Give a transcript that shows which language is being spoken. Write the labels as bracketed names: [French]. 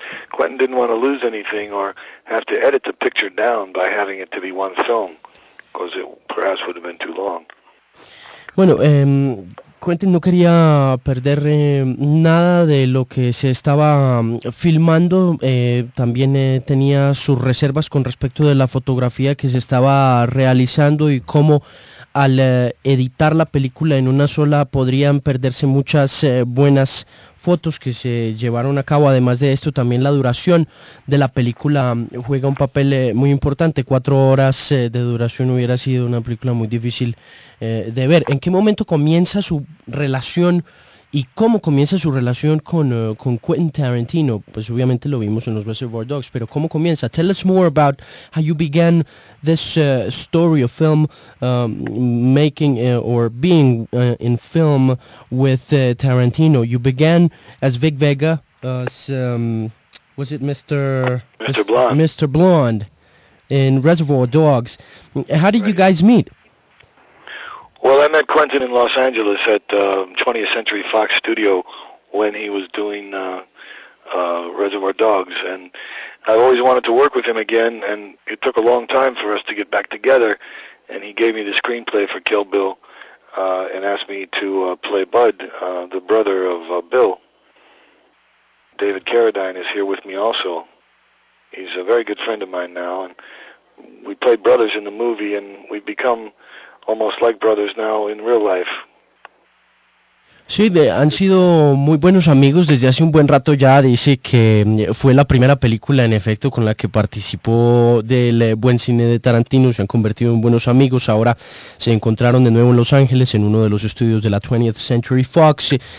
[English] Quentin didn't want to lose anything or have to edit the picture down by having it to be one film, because it perhaps would have been too long. [Spanish] Bueno, Quentin no quería perder nada de lo que se estaba filmando. También tenía sus reservas con respecto de la fotografía que se estaba realizando y cómo al editar la película en una sola podrían perderse muchas buenas fotos que se llevaron a cabo. Además de esto, también la duración de la película juega un papel muy importante. 4 horas de duración hubiera sido una película muy difícil de ver. ¿En qué momento comienza su relación y cómo comienza su relación con Quentin Tarantino? Pues obviamente lo vimos en los Reservoir Dogs, pero ¿cómo comienza? [English] Tell us more about how you began this story of film making or being in film with Tarantino. You began as Vic Vega, as was it Mr. Blonde in Reservoir Dogs. How did you guys meet? Well, I met Quentin in Los Angeles at 20th Century Fox Studio when he was doing Reservoir Dogs, and I always wanted to work with him again, and it took a long time for us to get back together, and he gave me the screenplay for Kill Bill and asked me to play Bud, the brother of Bill. David Carradine is here with me also. He's a very good friend of mine now, and we played brothers in the movie, and we've become almost like brothers now in real life. [Spanish] Sí, han sido muy buenos amigos desde hace un buen rato ya. Dice que fue la primera película, en efecto, con la que participó del buen cine de Tarantino. Se han convertido en buenos amigos. Ahora se encontraron de nuevo en Los Ángeles, en uno de los estudios de la 20th Century Fox.